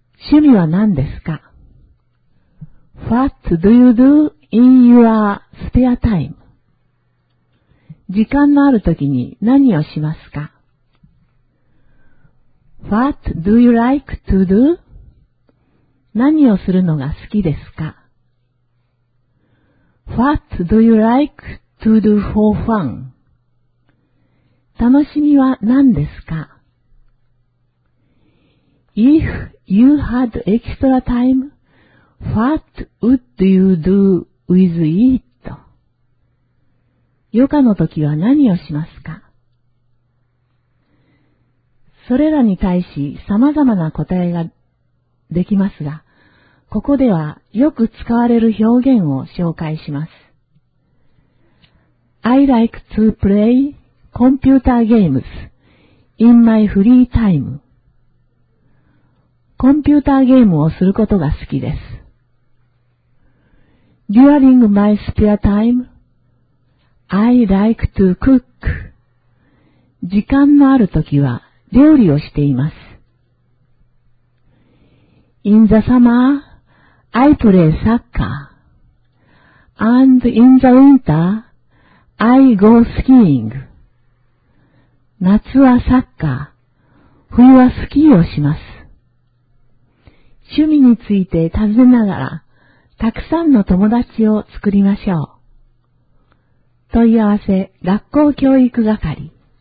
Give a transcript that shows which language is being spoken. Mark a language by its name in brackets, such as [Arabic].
[Japanese] 趣味は何ですか [English] ?What do you do in your spare time? [Japanese] 時間のあるときに何をしますか [English] ?What do you like to do? [Japanese] 何をするのが好きですか [English] What do you like to do for fun? [Japanese] 楽しみは何ですか [English] ?If you had extra time, what would you do with it? [Japanese] 余暇の時は何をしますか? それらに対し様々な答えができますが、ここではよく使われる表現を紹介します。 [English] I like to play computer games in my free time. [Japanese] コンピューターゲームをすることが好きです。 [English] During my spare time, I like to cook. [Japanese] 時間のあるときは料理をしています。 [English] In the summer,I play soccer. And in the winter, I go skiing. [Japanese] 夏はサッカー、冬はスキーをします。趣味について尋ねながら、たくさんの友達を作りましょう。問い合わせ、学校教育係。